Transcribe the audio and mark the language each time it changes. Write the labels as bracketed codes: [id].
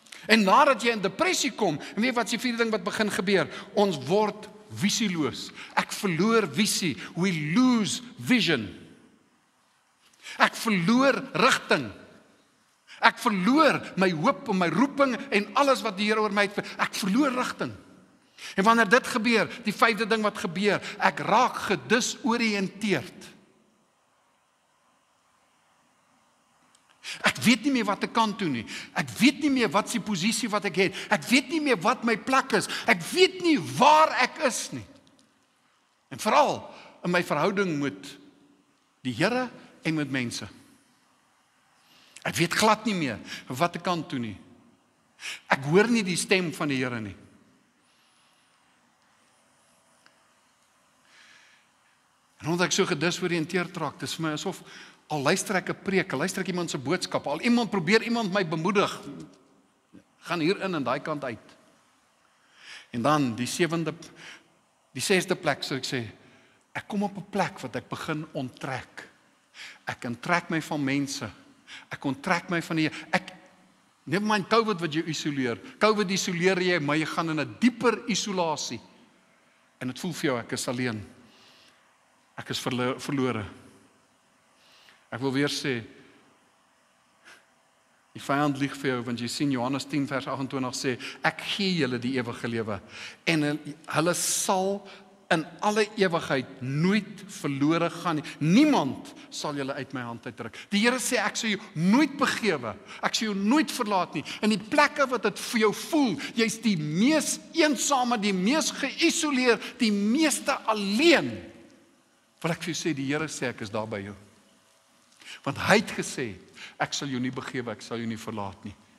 [af] En nadat jy in depressie kom, en weet wat is die vierde ding wat begin gebeur? Ons word visieloos. Ek verloor visie. [en] We lose vision. [af] Ek verloor rigting. Ek verloor my hoop en my roeping en alles wat die Here oor my het. Ek verloor rigting. En wanneer dit gebeur, die vyfde ding wat gebeur, ek raak gedisoriënteerd. Ek weet nie meer wat ek kan doen nie. Ek weet nie meer wat die posisie wat ek het. Ek weet nie meer wat my plek is. Ek weet nie waar ek is nie. En vooral in my verhouding met die Here en met mense. Ek weet glad nie meer wat ek kan doen nie. Ek hoor nie die stem van die Here nie. En omdat ek so gedisoriënteerd raak, dis vir my asof al luister ek 'n preek, al luister ek iemand se boodskap, al iemand probeer iemand my bemoedig, gaan hier in en daai kant uit. En dan die sewende die sesde plek sou ek sê, ek kom op 'n plek wat ek begin onttrek. Ek onttrek my van mense. Ek onttrek my van die ek neem my COVID wat jy isoleer. COVID isoleer jy, maar jy gaan in 'n dieper isolasie. En het voel vir jou ek is alleen. Ek is verlore. Ek wil weer sê, die vijand lieg vir jou, want jy sien Johannes 10 vers 28 sê, ek gee julle die ewige lewe, en hulle sal in alle ewigheid nooit verlore gaan. Niemand sal julle uit my hand uitdruk. Die Here sê, ek sal jou nooit begewe, ek sal jou nooit verlaat nie, en die plekke wat het vir jou voel, jy is die mees eensame, die mees geïsoleer, die meeste alleen, wat ek vir jou sê, die Here sê, ek is daar by jou. Want hy het gesê, ek sal jou nie begewe, ek sal jou nie verlaat nie.